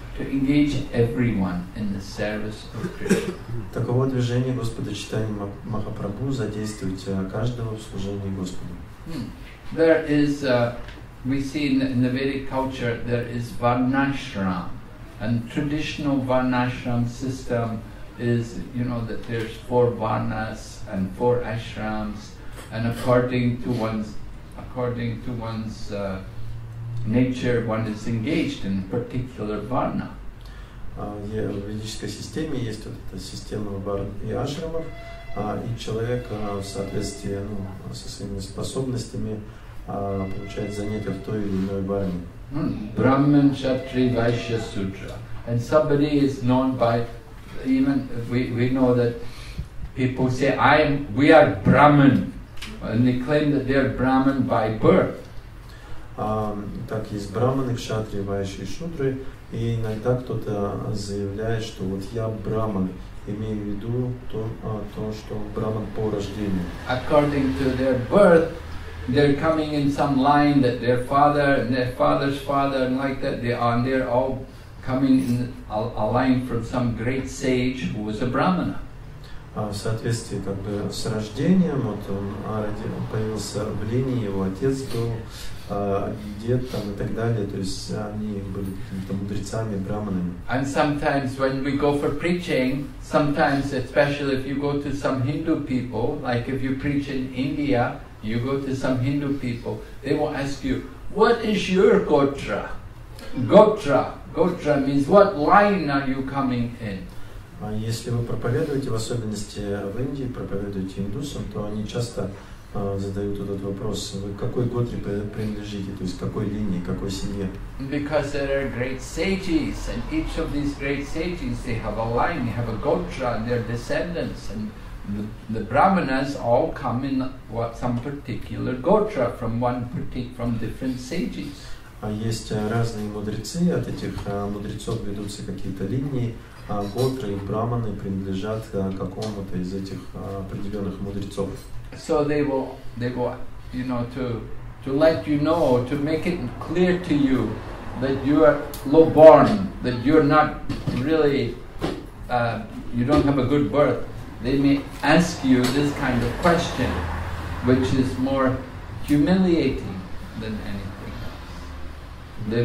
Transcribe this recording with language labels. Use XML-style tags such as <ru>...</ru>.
<en>To engage everyone in the service of Krishna.</en> <ru>Таково движение Господа Читания Махапрабху задействовать каждого в служении Господу.</ru> <en>There is, we see in the Vedic culture, there is Varnashram. And traditional Varnashram system is, that there's four Varnas and four Ashrams. And according to one's nature, one is engaged in a particular varna.</en> <ru>В ведической системе есть вот эта система варн и ашрамов, и человек в соответствии со своими способностями получает занятие в той или иной варне.</ru> <en>Brahman, Kshatri, Vaishya, Sudra. And somebody is known by, even we know that people say, we are Brahman. And they claim that they are Brahman by birth.</en> <ru>Так есть брахманы, кшатрии, вайши и шудры, и иногда кто-то заявляет, что вот я брахман, имею в виду то, что брахман по рождению.</ru> <en>According to their birth, they're coming in some line that their father and their father's father and like that, they're all coming in a line from some great sage who was a brahmana.</en> <ru>В соответствии как бы с рождением, вот он появился в линии, его отец был, дед там и так далее, то есть они были какими-то мудрецами, брахманами.</ru> <en>And sometimes when we go for preaching, sometimes especially if you go to some Hindu people, like if you preach in India, you go to some Hindu people, they will ask you, what is your gotra? Gotra, gotra means what line are you coming in?</en> <ru>Если вы проповедуете, в особенности в Индии, проповедуете индусам, то они часто задают этот вопрос, вы к какой готре принадлежите, то есть к какой линии, к какой семье.</ru> <en>Because there are great sages, and each of these great sages, they have a line, they have a gotra, and their descendants, and the brahmanas all come in what some particular gotra from one from different sages.</en> <ru>Есть разные мудрецы, от этих мудрецов ведутся какие-то линии, а готры и брахманы принадлежат какому-то из этих определенных мудрецов.</ru> <en>So they will, you know, to let you know, to make it clear to you that you are low born, that you're not really, you don't have a good birth, they may ask you this kind of question, which is more humiliating than anything else.</en>